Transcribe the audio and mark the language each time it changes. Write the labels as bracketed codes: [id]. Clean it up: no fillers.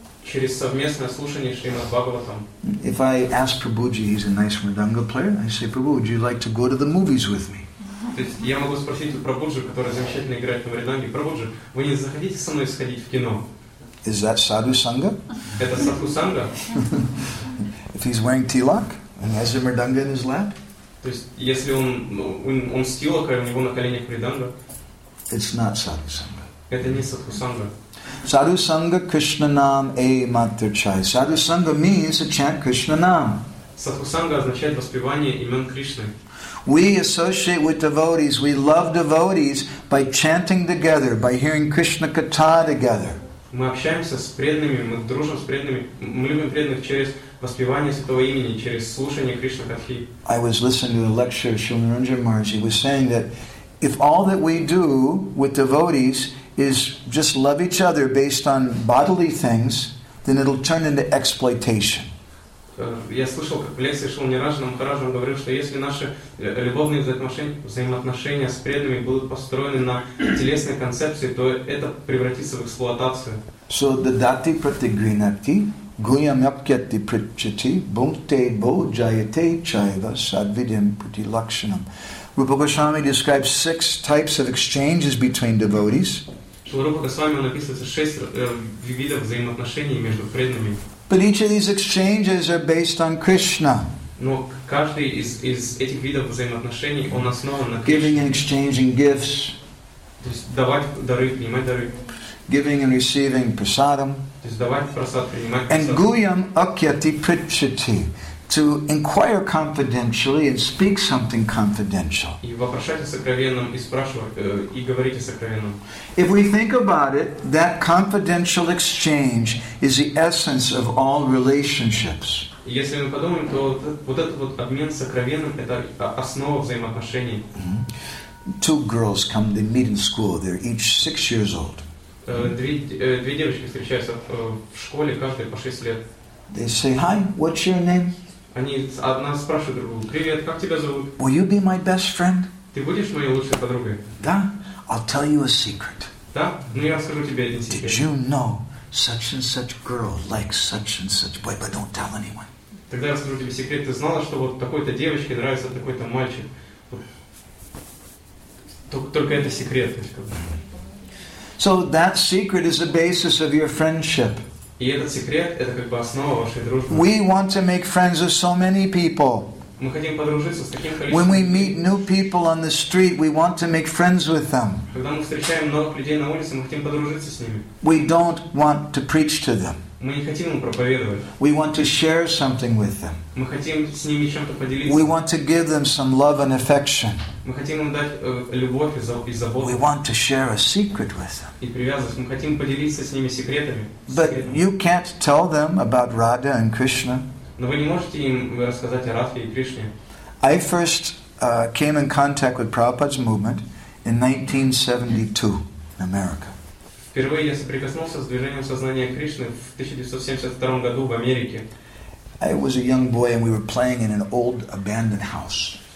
[ru] Через совместное слушание Шримад Бхагаватам. [en] If I ask Prabhuji, he's a nice mridanga player, I say, Prabhu, would you like to go to the movies with me? [ru] То есть я могу спросить у Прабхуджи, который замечательно играет на мриданге, Прабхуджи, вы не захотите со мной сходить в кино? [en] Is that sadhu sangha? [ru] Это sadhu sangha? [en] If he's wearing tilak and has a mridanga in his lap? [ru] То есть если он с тилака, у него на коленях мриданга? [en] It's not sadhu sangha. [ru] Это не sadhu sangha. [bn] Sadhu Sangha Krishna Nam A Mantra Chai. [en] Sadhu Sangha means to chant Krishna Nam. [ru] Sadhu Sangha означает воспевание имен Кришны. [en] We associate with devotees, we love devotees by chanting together, by hearing Krishna Katha together. [ru] Мы общаемся с преданными, мы дружим с преданными, мы любим преданных через воспевание святого имени, через слушание Кришна Катхи. [en] I was listening to a lecture of Srila Narendra Maharaj. He was saying that if all that we do with devotees is just love each other based on bodily things, then it'll turn into exploitation. [ru] Я слышал, как Лев Сишел Неражным Хоражем говорил, что если наши любовные взаимоотношения с преданными будут построены на телесной концепции, то это превратится в эксплуатацию. [sa] So the dati pratigrinati guyam yapkyati pritchati bhunkte bo jayate chayva sadvidyam priti lakshanam. [en] Rupa Goswami describes 6 types of exchanges between devotees. [ru] Rupa Goswami написывается 6 видов взаимоотношений между преданными. [en] But each of these exchanges are based on Krishna. [ru] Но каждый из этих видов взаимоотношений он основан на Кришне. [en] Giving and exchanging gifts. [ru] То есть давать дары, принимать дары. [en] Giving and receiving prasadam. [ru] То есть давать прасад, принимать прасад. [en] And guyam akyati pritchati. To inquire confidentially and speak something confidential. [ru] И вопрошайте сокровенным, и спрашивайте, и говорите сокровенным. [en] If we think about it, that confidential exchange is the essence of all relationships. [ru] Если мы подумаем, то вот этот вот обмен сокровенным – это основа взаимоотношений. Mm-hmm. [en] 2 girls come, they meet in school, they're each 6 years old. [ru] Две девочки встречаются в школе, каждая по 6 лет. [en] They say, hi, what's your name? [ru] Они одна спрашивает другую: «Привет, как тебя зовут?» [en] Will you be my best friend? [ru] Ты будешь моей лучшей подругой? Да. [en] I'll tell you a secret. [ru] Да? Ну я скажу тебе один секрет. [en] Did you know such and such girl likes such and such boy, but don't tell anyone? [ru] Тогда я скажу тебе секрет. Ты знала, что вот такой-то девочке нравится такой-то мальчик? Только это секрет. [en] So that secret is the basis of your friendship. [ru] И этот секрет – это как бы основа вашей дружбы. [en] We want to make friends with so many people. [ru] Мы хотим подружиться с таким количеством. [en] When we meet new people on the street, we want to make friends with them. [ru] Когда мы встречаем новых людей на улице, мы хотим подружиться с ними. [en] We don't want to preach to them. [ru] Мы не хотим им проповедовать. [en] We want to share something with them. [ru] Мы хотим с ними чем-то поделиться. [en] We want to give them some love and affection. [ru] Мы хотим им дать любовь и заботу. [en] We want to share a secret with them. [ru] И привязанность. Мы хотим поделиться с ними секретами. [en] But you can't tell them about Radha and Krishna. [ru] Но вы не можете им рассказать о Радхе и Кришне. [en] I first came in contact with Prabhupada's movement in 1972 in America. [ru] Впервые я соприкоснулся с движением сознания Кришны в 1972 году в Америке. [en] I was a young boy and we were playing in an old abandoned house.